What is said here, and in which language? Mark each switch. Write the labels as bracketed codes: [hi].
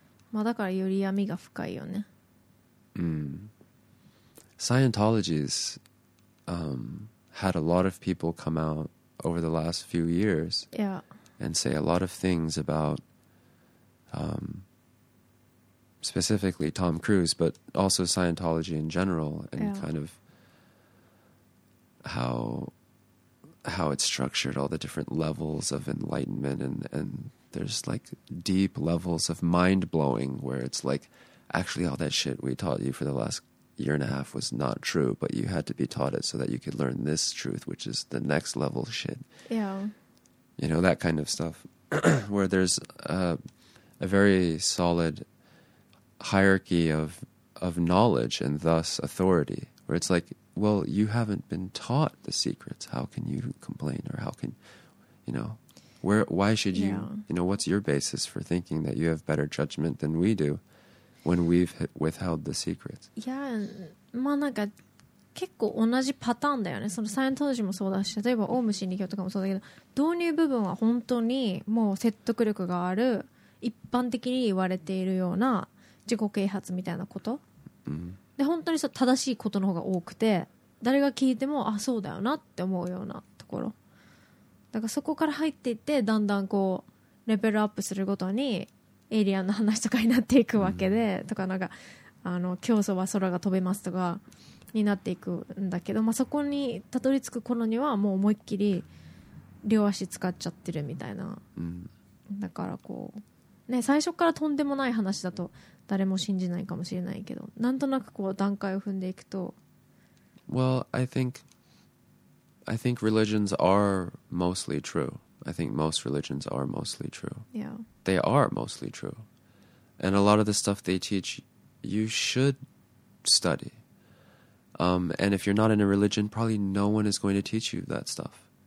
[ja] まあだからより闇が深いよね。 Mm. [en] Scientology's had a lot of people come out over the last few years yeah. and say a lot of things about specifically Tom Cruise, but also Scientology in general and yeah. kind of how it's structured, all the different levels of enlightenment and there's like deep levels of mind blowing where it's like actually all that shit we taught you for the last year and a half was not true but you had to be taught it so that you could learn this truth which is the next level shit yeah you know that kind of stuff where there's a very solid hierarchy of knowledge and thus authority where it's like well you haven't been taught the secrets how can you complain or how can you know where why should you yeah. you know what's your basis for thinking that you have better judgment than we do when we've withheld the secrets [ja] いやまあなんか結構同じパターンだよねそのサイエントロジーもそうだし例えばオウム真理教とかもそうだけど導入部分は本当にもう説得力がある一般的に言われているような自己啓発みたいなこと、うん、で本当にそう正しいことの方が多くて誰が聞いてもあそうだよなって思うようなところだからそこから入っていってだんだんこうレベルアップするごとにエイリアンの話とかになっていくわけで、うん、とかなんかあの競争は空が飛べますとかになっていくんだけど、まあ、そこにたどり着く頃にはもう思いっきり両足使っちゃってるみたいな、うん、だからこうね最初からとんでもない話だと誰も信じないかもしれないけどなんとなくこう段階を踏んでいくと [en] Well, I think religions are mostly trueI think most religions are mostly true. Yeah. They are mostly true. And a lot of the stuff they teach, you should study. And if you're not in a religion, probably no one is going to teach you that stuff.